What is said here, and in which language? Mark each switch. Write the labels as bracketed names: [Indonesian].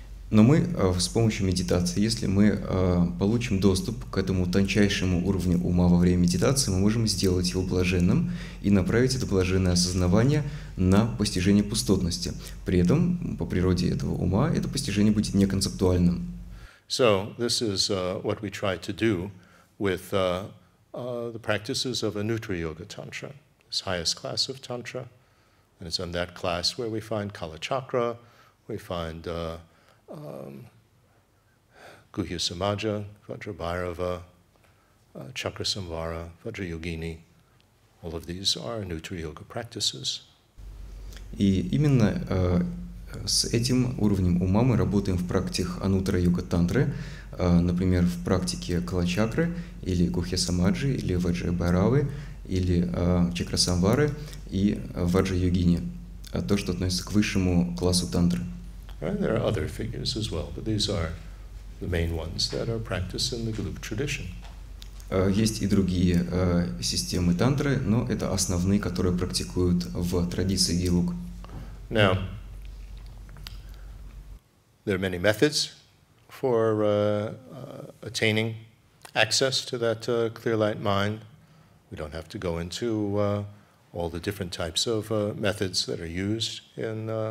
[Russian] Но мы с помощью медитации, если мы получим доступ к этому тончайшему уровню ума во время медитации, мы можем сделать его блаженным и направить это блаженное осознавание на постижение пустотности. При этом, по природе этого ума, это постижение будет неконцептуальным. [English] So, this is what we try to do with the practices of Anuttara Yoga Tantra, this highest class of Tantra. And it's on that class where we find Kala Chakra, we find Guhya Samaja, Vajrabhairava, Chakra Samvara, Vajrayogini. All of these are Anuttara Yoga practices. [Russian] И именно с этим уровнем ума мы работаем в практиках Анутра Йога Тантры, например, в практике Кала Чакры, или Гухья Самаджи, или Ваджрабхайравы, или Чакра Самвары и Ваджрайогини, то, что относится к высшему классу тантры. [English] There are other figures as well, but these are the main ones that are practiced in the Galuk tradition. [Russian] Есть и другие системы тантры, но это основные, которые практикуют в традиции Галук. [English] Now, there are many methods for attaining access to that clear light mind. We don't have to go into all the different types of methods that are used in